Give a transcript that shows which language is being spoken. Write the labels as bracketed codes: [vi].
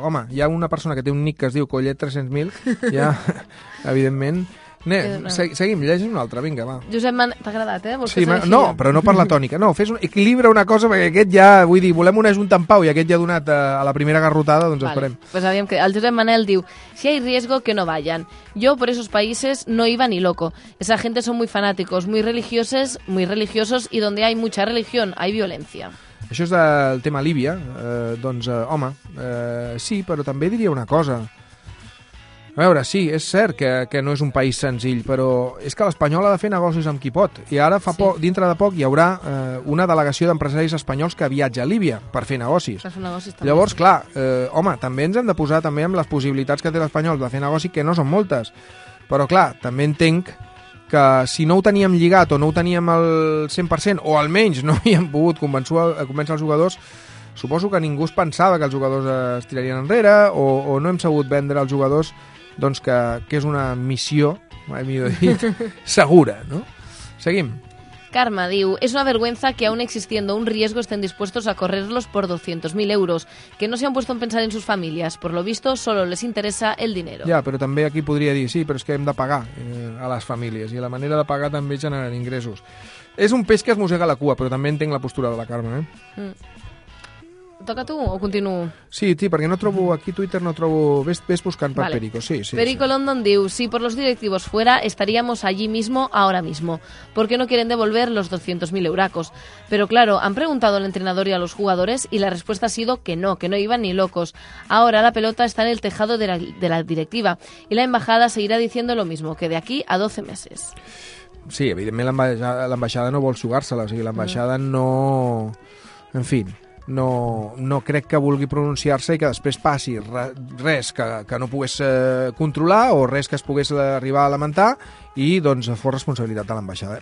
[ca] Home, hi ha una persona que té un nick que es diu Collet 300.000, ja, evidentment. Anem, seguim, llegim una altra, vinga, va. Josep Man, t'ha agradat, eh? Vols sí, que no, però no per la tònica, no, fes un, equilibra una cosa, perquè aquest ja, vull dir, volem una junta en pau i aquest ja ha donat a la primera garrotada, doncs vale. Esperem. [es] Pues [ca] aviam, que el Josep Manel diu: [es] si hay riesgo, que no vayan. Yo por esos países no iba ni loco. Esa gente son muy fanáticos, muy religiosos, y donde hay mucha religión, hay violencia. [ca] Això és del tema Líbia, doncs, home, sí, però també diria una cosa. A veure, sí, és cert que no és un país senzill, però és que l'Espanyol ha de fer negocis amb qui pot. I ara, dintre de poc, hi haurà una delegació d'empresaris espanyols que viatja a Líbia per fer negocis. Per fer negocis també. Llavors, clar, home, també ens hem de posar també amb les possibilitats que té l'Espanyol de fer negoci, que no són moltes. Però, clar, també entenc que si no ho teníem lligat o no ho teníem al 100%, o almenys no havíem pogut convèncer els jugadors... Suposo que ningú es pensava que els jugadors es tirarien enrere o no hem sabut vendre als jugadors doncs que és una missió, millor dit, segura, no? Seguim. Karma diu: [es] es una vergüenza que aún existiendo un riesgo estén dispuestos a correrlos por 200.000 euros, que no se han puesto a pensar en sus familias. Por lo visto, solo les interesa el dinero. [ca] Ja, però també aquí podria dir, sí, però és que hem de pagar a les famílies i la manera de pagar també generen ingressos. És un peix que es mossega la cua, però també entenc la postura de la Karma, eh? Mm. Toca tu o continuo? Sí, perquè no trobo aquí Twitter, no trobo... Ves buscant per vale. Perico, sí. Perico sí. London diu: [es] si por los directivos fuera, estaríamos allí mismo ahora mismo. ¿Por qué no quieren devolver los 200.000 euracos? Pero claro, han preguntado al entrenador y a los jugadores y la respuesta ha sido que no iban ni locos. Ahora la pelota está en el tejado de la directiva y la embajada seguirá diciendo lo mismo, que de aquí a 12 meses. [ca] Sí, evidentment l'embaixada no vol jugar-se-la, o sigui, l'embaixada no... En fin... no crec que vulgui pronunciar-se i que després passi res que no pogués controlar o res que es pogués arribar a lamentar i doncs fos responsabilitat de l'ambaixada.